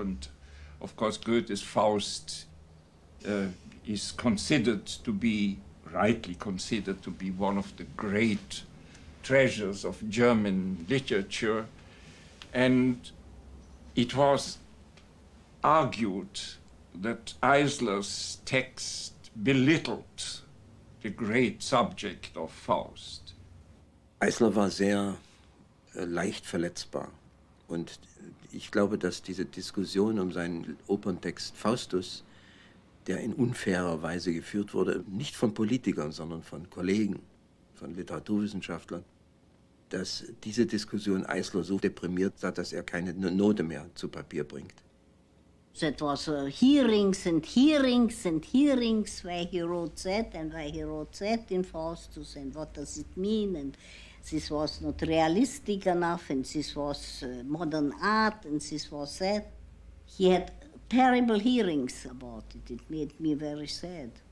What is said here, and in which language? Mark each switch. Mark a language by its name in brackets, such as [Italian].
[English] And of course Goethe's Faust is considered to be, rightly considered to be, one of the great treasures of German literature. And it was argued that Eisler's text belittled the great subject of Faust. [German] Eisler war sehr leicht verletzbar. Und ich glaube, dass diese Diskussion um seinen Operntext Faustus, der in unfairer Weise geführt wurde, nicht von Politikern, sondern von Kollegen, von Literaturwissenschaftlern, dass diese Diskussion Eisler so deprimiert hat, dass er keine Note mehr zu Papier bringt. [English] That was hearings and hearings and hearings, where he wrote that and where he wrote that in Faustus and what does it mean. And this was not realistic enough, and this was modern art, and this was that. He had terrible hearings about it. It made me very sad.